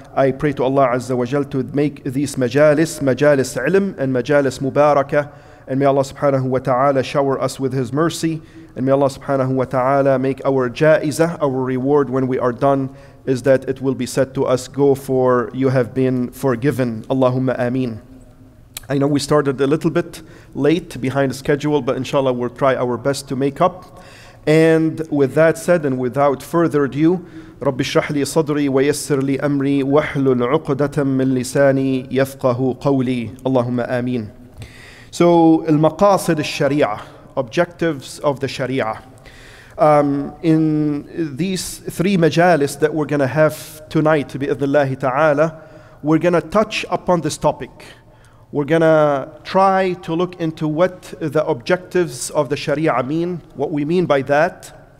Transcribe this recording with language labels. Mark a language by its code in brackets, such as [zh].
[en] I pray to Allah Azza wa Jal to make these majalis, majalis ilm and majalis mubaraka, and may Allah subhanahu wa ta'ala shower us with His mercy, and may Allah subhanahu wa ta'ala make our ja'izah, our reward when we are done, is that it will be said to us, go for you have been forgiven. Allahumma ameen. I know we started a little bit late behind the schedule, but inshallah we'll try our best to make up. And with that said, and without further ado, [ar] رب اشرح لي صدري ويسر لي أمري واحلل عقدة من لساني يفقه قولي. اللهم آمين. [en] So, المقاصد الشريعة, objectives of the Sharia. In these three majalis that we're going to have tonight, [ar] بإذن الله تعالى, [en] we're going to touch upon this topic. We're gonna try to look into what the objectives of the Sharia mean, what we mean by that.